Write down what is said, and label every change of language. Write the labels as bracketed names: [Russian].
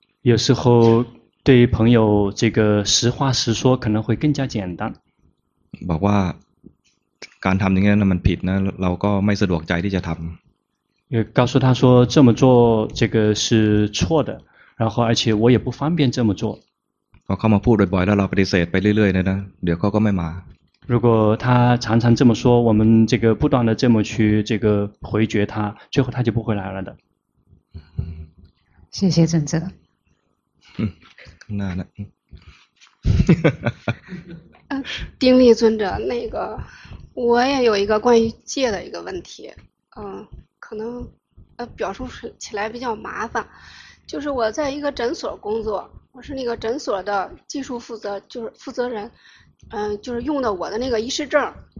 [Chinese] 有时候对朋友这个实话实说可能会更加简单 [Thai] บอกว่าการทำอย่างนี้นะมันผิดนะเราก็ไม่สะดวกใจที่จะทำ [Chinese] 也告诉他说这么做这个是错的然后而且我也不方便这么做 [Thai] พอเข้ามาพูดบ่อยๆแล้วเราปฏิเสธไปเรื่อยๆนะเดี๋ยวเขาก็ไม่มา [Chinese] 如果他常常这么说我们这个不断的这么去这个回绝他最后他就不回来了的谢谢准则那丁力尊者那个我也有一个关于戒的一个问题可能表述起来比较麻烦就是我在一个诊所工作我是那个诊所的技术负责就是负责人就是用的我的那个医师证